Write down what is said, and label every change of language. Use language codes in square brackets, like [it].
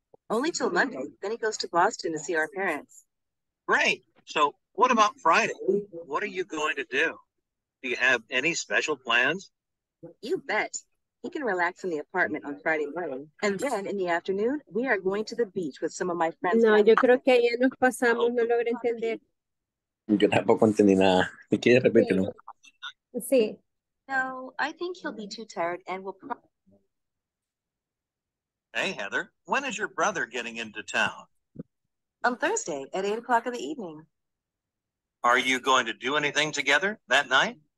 [en] Only till Monday, then he goes to Boston to see our parents. Great. So what about Friday? What are you going to do? Do you have any special plans? You bet. He can relax in the apartment on Friday morning. And then in the afternoon, we are going to the beach with some of my friends. [es] No, yo creo que ya nos pasamos, no logro entender. Yo tampoco entendí nada. ¿Me quieres repetirlo? Sí. [en] No, I think he'll be too tired and we'll probably... Hey, Heather, when is your brother getting into town? On Thursday at 8 o'clock in the evening. Are you going to do anything together that night?